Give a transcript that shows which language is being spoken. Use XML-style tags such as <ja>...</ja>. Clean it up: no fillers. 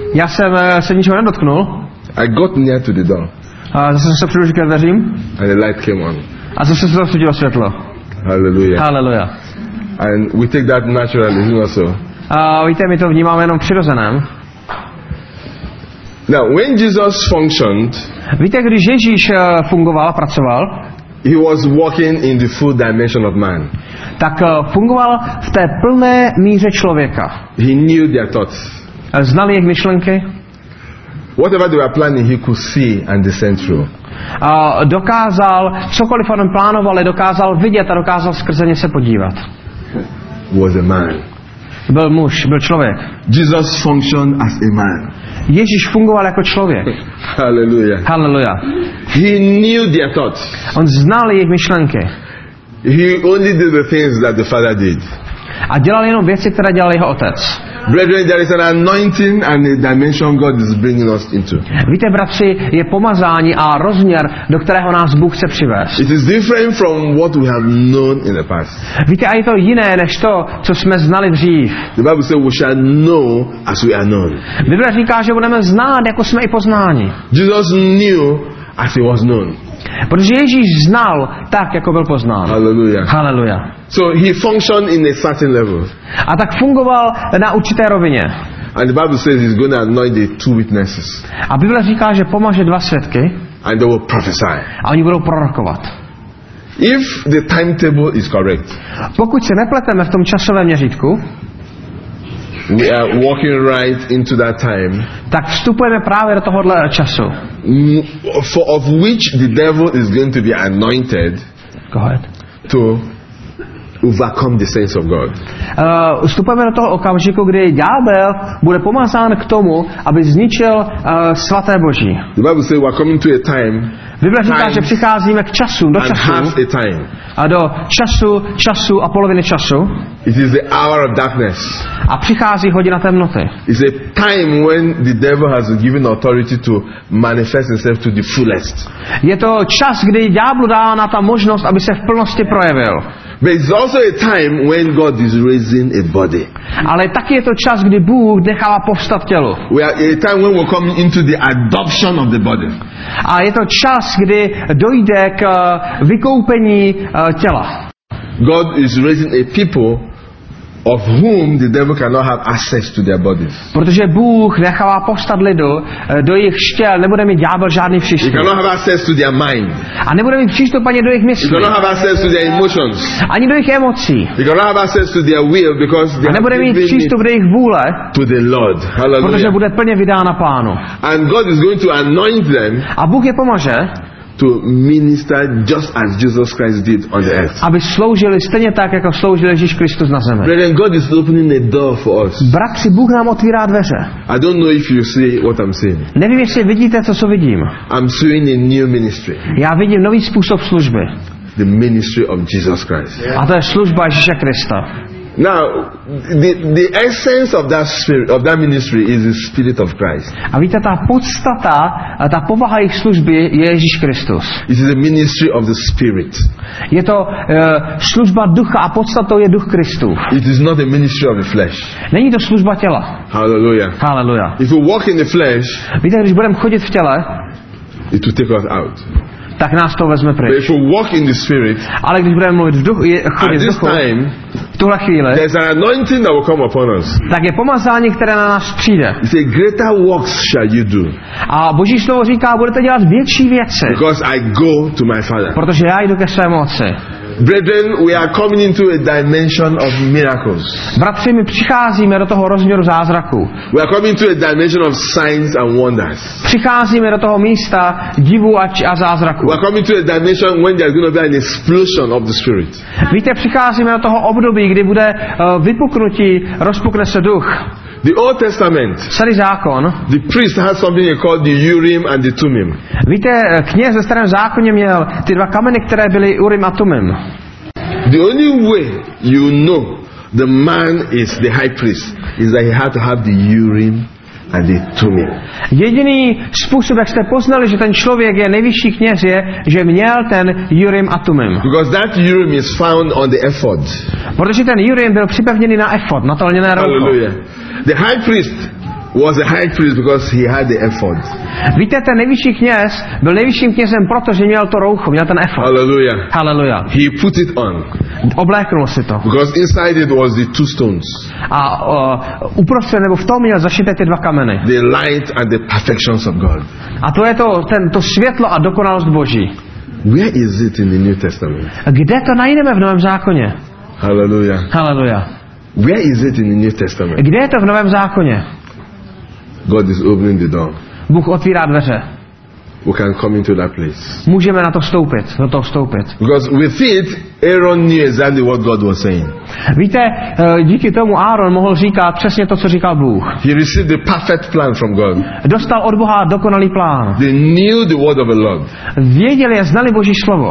<cs>Já jsem se ničeho nedotknul.</cs> <en>I got near to the door.</en> <cs>A zase jsem se přiblížil ke dveřím.</cs> <en>And the light came on.</en> <cs>A zase se rozsvítilo světlo.</cs> <en>Hallelujah.</en> <cs>Hallelujah.</cs> <en>And we take that naturally, you know, so.</en> <cs>Víte, my to vnímáme jenom přirozeném.</cs> <en>Now, when Jesus functioned,</en> <cs>víte, když Ježíš fungoval, pracoval,</cs> <en>he was walking in the full dimension of man.</en> <cs>Tak fungoval v té plné míře člověka.</cs> <en>He knew their thoughts.</en> <cs>Znal jejich myšlenky.</cs> <en>Whatever they were planning, he could see and discern through.</en> <cs>Dokázal, cokoliv on plánoval, dokázal vidět a dokázal skrze ně se podívat.</cs> <en>Was a man.</en> <cs>Byl muž, byl člověk.</cs> <en>Jesus functioned as a man.</en> <cs>Ježíš fungoval jako člověk.</cs> <en>Hallelujah.</en> <cs>Hallelujah.</cs> <en>He knew their thoughts.</en> <cs>On znal jejich myšlenky.</cs> <en>He only did the things that the Father did.</en> <cs>A dělal jenom věci, které dělal jeho otec.</cs> <en>Brethren, there is an anointing and a dimension God is bringing us into.</en> <cs>Víte, bratři, je pomazání a rozměr, do kterého nás Bůh chce přivést.</cs> <en>It is different from what we have known in the past.</en> <cs>Víte, a je to jiné než to, co jsme znali dřív.</cs> <en>The Bible says we shall know as we are known.</en> <cs>Bible říká, že budeme znát, jako jsme i poznáni.</cs> <en>Jesus knew as he was known.</en> <cs>Protože Ježíš znal tak, jako byl poznán.</cs> <en>Hallelujah.</en> <cs>Hallelujah.</cs> <en>So he functioned in a certain level.</en> <cs>A tak fungoval na určité rovině.</cs> <en>And the Bible says he's going to anoint the two witnesses.</en> <cs>A Bible říká, že pomaže dva svědky.</cs> <en>And they will prophesy.</en> <cs>A oni budou prorokovat.</cs> <en>If the timetable is correct.</en> <cs>Pokud se nepleteme v tom časovém měřítku.</cs> <en>We are walking right into that time.</en> <cs>Tak vstupujeme právě do tohohle času.</cs> <en>For of which the devil is going to be anointed. Go ahead. To overcome the sense of God.</en> <cs>Vstupujeme do toho okamžiku, kdy ďábel bude pomazán k tomu, aby zničil svaté Boží.</cs> <en>The Bible says we are coming to a time.</en> <cs>Bible říká, že přicházíme k času, do času.</cs> <en>And half a time.</en> <cs>A do času, času a poloviny času.</cs> <en>It is the hour of darkness.</en> <cs>A přichází hodina temnoty.</cs> <en>It's a time when the devil has given authority to manifest himself to the fullest.</en> <cs>Je to čas, kdy ďáblu dána ta možnost, aby se v plnosti projevil.</cs> <en>But it's also a time when God is raising a body.</en> <cs>Ale taky je to čas, kdy Bůh nechává povstat tělo.</cs> <en>We are a time when we're coming into the adoption of the body.</en> <cs>A je to čas, kdy dojde k vykoupení těla.</cs> <en>God is raising a people of whom the devil cannot have access to their bodies.</en> <cs>Protože Bůh nechává povstat lidu, do jejich štěl nebude mít ďábel žádný přístup.</cs> <en>He cannot have access to their mind.</en> <cs>A nebude mít přístup ani do jejich myslí.</cs> <en>He cannot have access to their emotions.</en> <cs>Ani do jejich emocí.</cs> <en>He cannot have access to their will because they</en> <cs>a nebude mít přístup do jejich vůle.</cs> <en>To the Lord. Hallelujah.</en> <cs>Protože bude plně vydána Pánu.</cs> <en>And God is going to anoint them.</en> <cs>A Bůh je pomáže.</cs> <en>To minister just as Jesus Christ did on the earth.</en> <cs>Aby sloužili stejně tak, jako sloužil Ježíš Kristus na zemi.</cs> <en>Brethren, God is opening a door for us.</en> <cs>Bratři, Bůh nám otvírá dveře.</cs> <en>I don't know if you see what I'm seeing.</en> <cs>Nevím, jestli vidíte, co vidím.</cs> <en>I'm seeing a new ministry.</en> <cs>Já vidím nový způsob služby.</cs> <en>The ministry of Jesus Christ.</en> <cs>A to je služba Ježíše Krista.</cs> <en>Now, the essence of that spirit of that ministry is the Spirit of Christ.</en> <cs>A víte, ta podstata, ta povaha jejich služby je Ježíš Kristus.</cs> <en>It is the ministry of the Spirit.</en> <cs>Je to služba ducha a podstatou je duch Kristův.</cs> <en>It is not the ministry of the flesh.</en> <cs>Není to služba těla.</cs> <en>Hallelujah.</en> <cs>Hallelujah.</cs> <en>If we walk in the flesh,</en> <cs>víte, když budeme chodit v těle,</cs> <en>it will take us out.</en> <cs>Tak nás to vezme pryč.</cs> <en>But if we walk in the Spirit,</en> <cs>ale když budeme mluvit v duchu, chodit v duchu,</cs> <en>time,</en> <cs>v tuhle chvíli,</cs> <en>there's an anointing that will come upon us.</en> <cs>Tak je pomazání, které na nás přijde.</cs> <en>It's a greater works shall you do.</en> <cs>A Boží slovo říká, budete dělat větší věci.</cs> <en>Because I go to my Father.</en> <cs>Protože já jdu ke svému Otci.</cs> <en>Brethren, we are coming into a dimension of miracles.</en> <cs>Bratři, my přicházíme do toho rozměru zázraku.</cs> <en>We are coming into a dimension of signs and wonders.</en> <cs>Přicházíme do toho místa divu a zázraku.</cs> <en>We are coming into a dimension when there is going to be an explosion of the Spirit.</en> <cs>Víte, přicházíme do toho období, kdy bude vypuknutí, rozpukne se duch.</cs> <en>The Old Testament.</en> <cs>Starý zákon.</cs> <en>The priest has something called the Urim and the Tumim.</en> <cs>Víte, kněz ve starém zákoně měl ty dva kameny, které byly Urim a Tumim.</cs> <en>The only way you know the man is the high priest is that he had to have the Urim and the Tumim.</en> <cs>Jediný způsob, jak jste poznali, že ten člověk je nejvyšší kněz, je, že měl ten Urim a Tumim.</cs> <en>Because that Urim is found on the ephod.</en> <cs>Protože ten Urim byl připevněný na ephod, na to lněné rouho.</cs> <en>Hallelujah. The high priest was a high priest because he had the ephod.</en> <cs>Víte, ten nejvyšší kněz byl nejvyšším knězem, protože měl to roucho, měl ten ephod.</cs> <en>Hallelujah.</en> <cs>Hallelujah.</cs> <en>He put it on.</en> <cs>Obléknul si to.</cs> <en>Because inside it was the two stones.</en> <cs>A uprostřed nebo v tom měl zašité ty dva kameny.</cs> <en>The light and the perfections of God.</en> <cs>A to je to světlo a dokonalost Boží.</cs> <en>Where is it in the New Testament?</en> <cs>Kde to najdeme v Novém zákoně?</cs> <en>Hallelujah.</en> <cs>Hallelujah.</cs> <en>Where is it in the New Testament?</en> <cs>Kde je to v Novém zákoně?</cs> <en>God is opening the door.</en> <cs>Bůh otvírá dveře.</cs> <en>We can come into that place.</en> <cs>Můžeme na to vstoupit, na to vstoupit.</cs> <en>Because with it, Aaron knew exactly what God was saying.</en> <cs>Víte, díky tomu Aaron mohl říkat přesně to, co říkal Bůh.</cs> <en>He received the perfect plan from God.</en> <cs>Dostal od Boha dokonalý plán.</cs> <en>They knew the word of the Lord.</en> <cs>Věděli a znali Boží slovo.</cs>